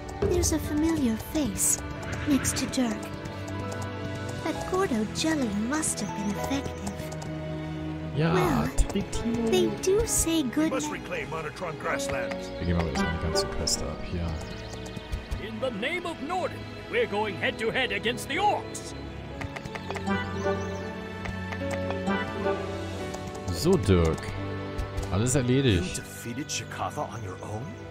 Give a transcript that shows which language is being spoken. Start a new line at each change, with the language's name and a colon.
English: There's a familiar face next to Dirk. That Gordo jelly must have been effective.
German: Ja,
English: well, they do say good. We must reclaim Monotron grasslands.
German: Wir gehen mal jetzt eine ganze Quest ab hier.
English: In the name of Norden, we're going head to head against the orcs.
German: So, Dirk. Alles erledigt.
English: You defeated Shikatha on your own?